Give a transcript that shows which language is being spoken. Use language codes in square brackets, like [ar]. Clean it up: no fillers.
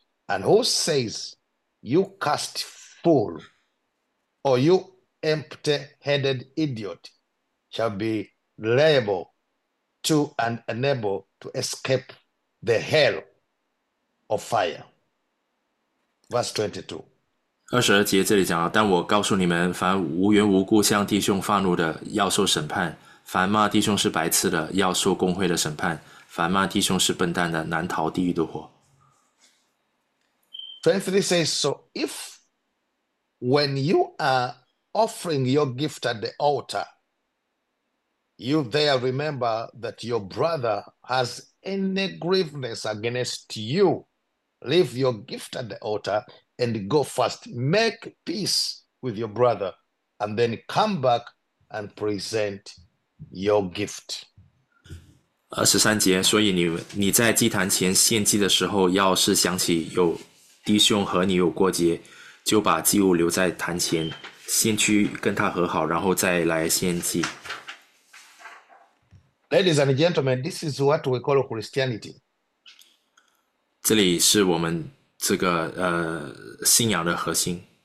[en] And who says, you cursed fool, or you empty-headed idiot, shall be liable to and enable to escape the hell of fire. Verse 22. [zh] 22节这里讲了，但我告诉你们，凡无缘无故向弟兄发怒的，要受审判；凡骂弟兄是白痴的，要受公会的审判；凡骂弟兄是笨蛋的，难逃地狱的火。 [en] 23 says, so if when you are offering your gift at the altar, you there remember that your brother has any grievance against you, leave your gift at the altar and go first. Make peace with your brother and then come back and present your gift. [zh] 23节，所以你在祭坛前献祭的时候，要是想起有弟兄和你有过节，就把祭物留在坛前，先去跟他和好，然后再来献祭。 [en] Ladies and gentlemen, this is what we call Christianity. [zh] 这里是我们这个信仰的核心。